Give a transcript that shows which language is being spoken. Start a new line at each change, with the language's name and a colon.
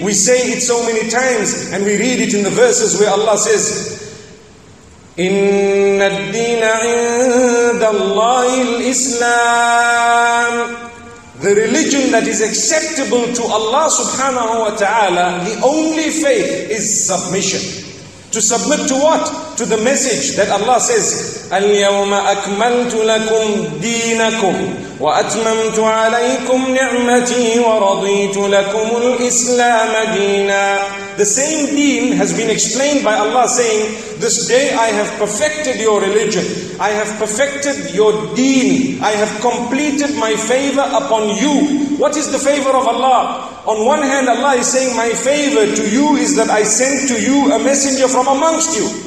English: We say it so many times, and we read it in the verses where Allah says,
Arabic: إِنَّ الدِّينَ عِنْدَ اللَّهِ الْإِسْلَامِ.
English: The religion that is acceptable to Allah subhanahu wa ta'ala, the only faith is submission. To submit to what? To the message that Allah says,
Arabic: الْيَوْمَ أَكْمَلْتُ لَكُمْ دِينَكُمْ وَأَتْمَمْتُ عَلَيْكُمْ نِعْمَتِي وَرَضِيتُ لَكُمُ الْإِسْلَامَ دِينًا.
English: The same deen has been explained by Allah saying, this day I have perfected your religion. I have perfected your deen. I have completed my favor upon you. What is the favor of Allah? On one hand, Allah is saying, my favor to you is that I sent to you a messenger from amongst you.